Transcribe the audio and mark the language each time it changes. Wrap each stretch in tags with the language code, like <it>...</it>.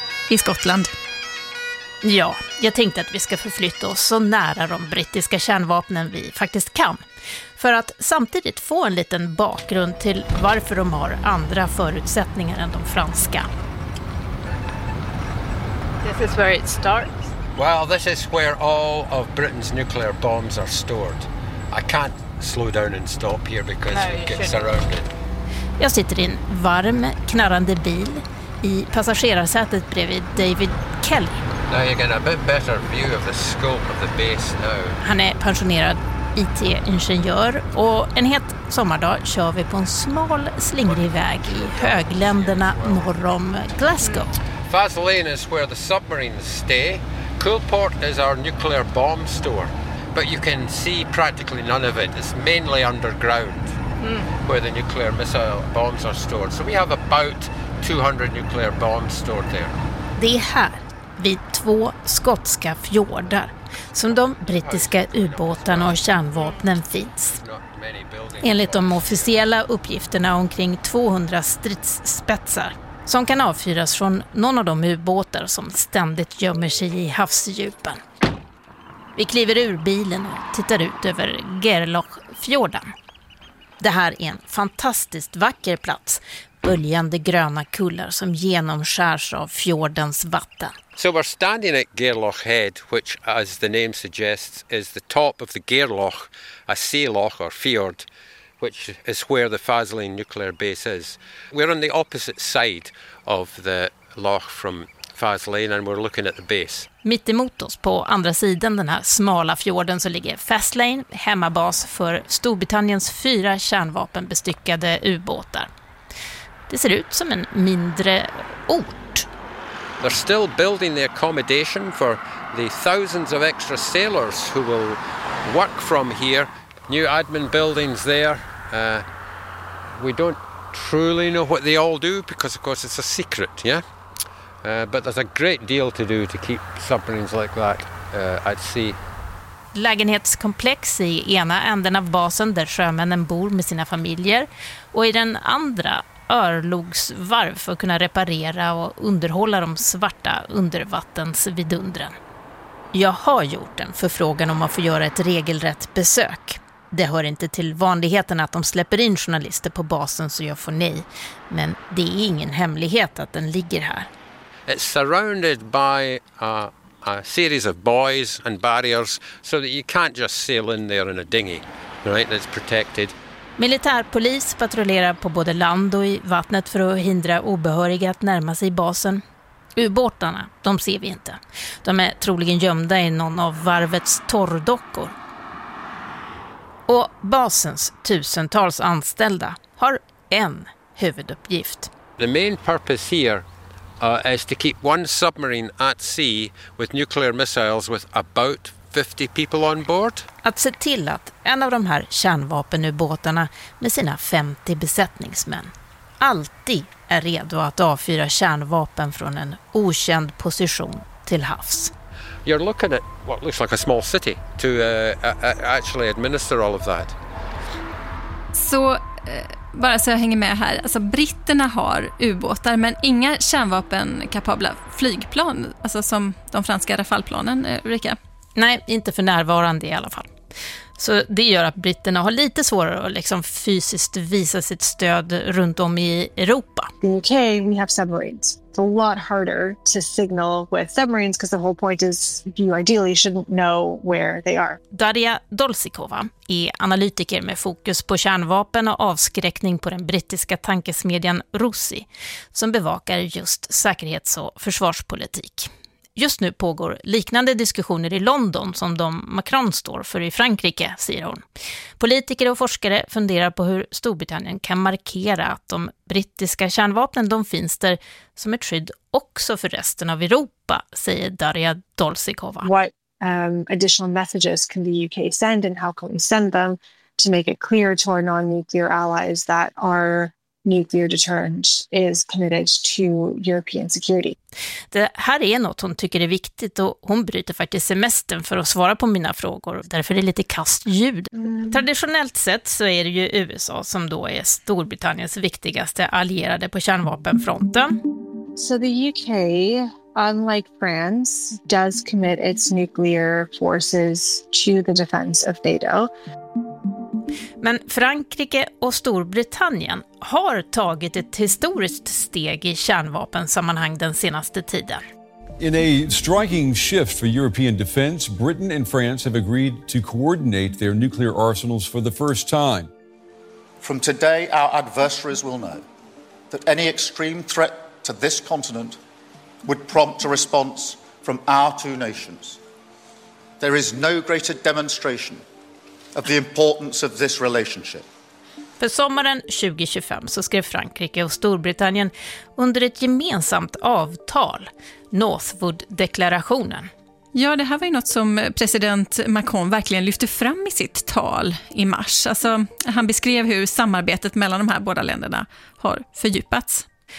<sv>I Skottland. Ja, jag tänkte att vi ska förflytta oss så nära de brittiska kärnvapnen vi faktiskt kan. För att samtidigt få en liten bakgrund till varför de har andra förutsättningar än de franska.</sv> <en>This is where it starts. Well, this is where all of Britain's nuclear bombs are stored. I can't slow down and stop here because it gets surrounded.</en> <sv>Jag sitter i en varm, knarrande bil i passagerarsätet bredvid David Kelly.</sv> <en>Now you get a bit better view of the scope of the base now.</en> <sv>Han är pensionerad IT-ingenjör och en het sommardag kör vi på en smal slingrig väg i högländerna norr om Glasgow.</sv> <en>Fast lane is where the submarines stay. Coolport is our nuclear bomb store. But you can see practically none of it. It's mainly underground where the nuclear missile bombs are stored. So we have about 200 nuclear bombs stored there.</en> <sv>Det är här vid två skotska fjordar som de brittiska ubåtarna och kärnvapnen finns. Enligt de officiella uppgifterna omkring 200 stridsspetsar som kan avfyras från någon av de ubåtar som ständigt gömmer sig i havsdjupen. Vi kliver ur bilen och tittar ut över Gerlochfjorden. Det här är en fantastiskt vacker plats. Böljande gröna kullar som genomskärs av fjordens vatten.</sv> <en>So we're standing at Gerloch Head, which as the name suggests is the top of the Gerloch, a sea loch or fjord, which is where the Faslane nuclear base is. We're on the opposite side of the loch from Faslane and we're looking at the base.</en> <sv>Mitt emot oss på andra sidan den här smala fjorden så ligger Faslane, hemmabas för Storbritanniens fyra kärnvapenbestyckade ubåtar. Det ser ut som en mindre ort.</sv> <en>They're still building the accommodation for the thousands of extra sailors who will work from here. New admin buildings there. We don't truly know what they all do because of course it's a secret, yeah? But there's a great deal to do to keep submarines like that at sea.</en> <sv>Lägenhetskomplex i ena änden av basen där sjömännen bor med sina familjer och i den andra örlogsvarv för att kunna reparera och underhålla de svarta undervattensvidundren. Jag har gjort en förfrågan om att få göra ett regelrätt besök. Det hör inte till vanligheten att de släpper in journalister på basen så jag får nej. Men det är ingen hemlighet att den ligger här.</sv> <en>It's surrounded by a series of buoys and barriers so that you can't just sail in there in a dinghy, right? That's protected.</en> <sv>Militärpolis patrullerar på både land och i vattnet för att hindra obehöriga att närma sig basen. Ubåtarna, de ser vi inte. De är troligen gömda i någon av varvets torrdockor. Och basens tusentals anställda har en huvuduppgift.</sv> <en>The main purpose here is to keep one submarine at sea with nuclear missiles with about 50 people on board.</en> <sv>Att se till att en av de här kärnvapenubåtarna med sina 50 besättningsmän alltid är redo att avfyra kärnvapen från en okänd position till havs.</sv> <en>You're looking at what looks like a small city to actually administer all of that.</en> <sv>Så bara så jag hänger med här. Alltså britterna har ubåtar men inga kärnvapenkapabla flygplan, alltså som de franska Rafale-planen, Ulrika. Nej, inte för närvarande i alla fall. Så det gör att britterna har lite svårare att liksom fysiskt visa sitt stöd runt om i Europa.</sv> <en>Okay, we have submarines. It's a lot harder to signal with submarines because the whole point is you ideally shouldn't know where they are.</en> <sv>Daria Dolsikova är analytiker med fokus på kärnvapen och avskräckning på den brittiska tankesmedjan Rossi som bevakar just säkerhets- och försvarspolitik. Just nu pågår liknande diskussioner i London som de Macron står för i Frankrike, säger hon. Politiker och forskare funderar på hur Storbritannien kan markera att de brittiska kärnvapnen de finns där som ett skydd också för resten av Europa, säger Daria Dolsikova.</sv> <en>What additional messages can the UK send and how can we send them to make it clear to our non-nuclear allies that our nuclear deterrent is committed to European security.</en> <sv>Det här är något hon tycker är viktigt och hon bryter faktiskt semestern för att svara på mina frågor. Därför är det lite kastljud. Mm. Traditionellt sett så är det ju USA som då är Storbritanniens viktigaste allierade på kärnvapenfronten.</sv> <en>So the UK, unlike France, does commit its nuclear forces to the defense of NATO.</en> <sv>Men Frankrike och Storbritannien har tagit ett historiskt steg i kärnvapensammanhang den senaste tiden.</sv> <en>In a striking shift for European defense, Britain and France have agreed to coordinate their nuclear arsenals for the first time. From today our adversaries will know that any extreme threat to this continent would prompt a response from our two nations. There is no greater demonstration of the importance of this relationship.</en> <sv>För sommaren 2025 så skrev Frankrike och Storbritannien under ett gemensamt avtal, Northwood-deklarationen. Ja, det här var ju något som president Macron verkligen lyfte fram i sitt tal i mars. Alltså, han beskrev hur samarbetet mellan de här båda länderna har fördjupats.</sv>